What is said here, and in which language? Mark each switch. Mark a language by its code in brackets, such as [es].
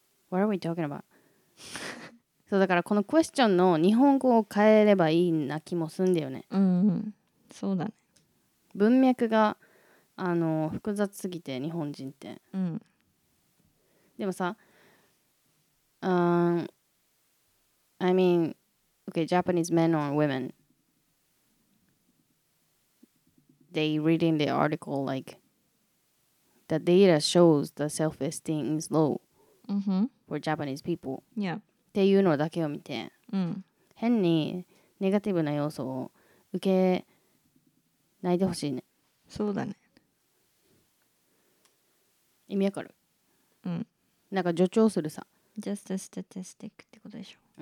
[en] What are we talking about? [ja] そう、だからこのクエスチョンの日本語を変えればいいな気もすんだよね。うん、うん、そうだね。文脈が複雑すぎて、日本人って。うん。でもさ、 [en] I mean, okay, Japanese men or women, they reading the article like the data shows the self-esteem is low. Mm-hmm. for Japanese people. Yeah. [ja] っていうのだけを見て、うん、変にネガティブな要素を受けないでほしいね。そうだね。意味わかる？うん。なんか助長するさ。 [en] Just a statistic [ja] ってことでしょ。